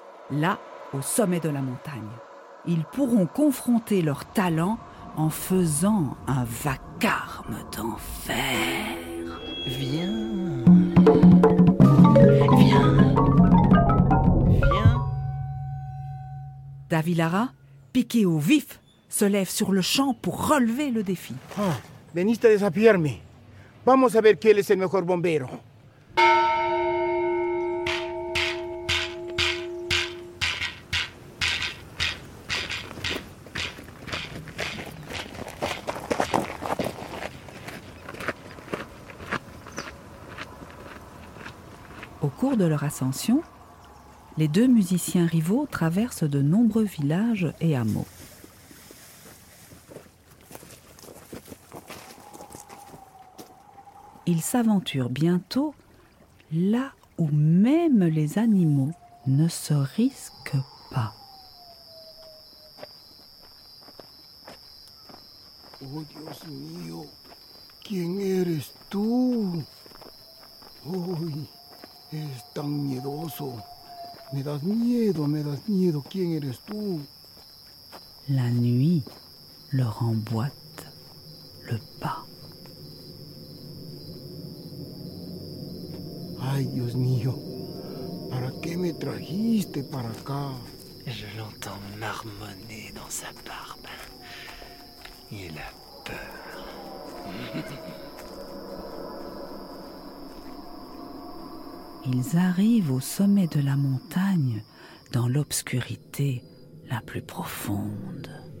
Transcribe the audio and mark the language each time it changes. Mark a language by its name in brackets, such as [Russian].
[French] Là, au sommet de la montagne, ils pourront confronter leurs talents en faisant un vacarme d'enfer. Viens. David Lara, piqué au vif, se lève sur le champ pour relever le défi. [Spanish] Ah, veniste a desafiarme. Vamos a ver quién es el mejor bombero. [French] Au cours de leur ascension, les deux musiciens rivaux traversent de nombreux villages et hameaux. Ils s'aventurent bientôt là où même les animaux ne se risquent pas. [Spanish] Oh Dios mio, quién eres tú? Uy, es tan miedoso. Me das miedo. ¿Quién eres tú? [French] La nuit leur emboîte le pas. Ay, Dios mío, ¿para qué me trajiste para acá? Je l'entends marmonner dans sa barbe. Il a peur. Ils arrivent au sommet de la montagne dans l'obscurité la plus profonde.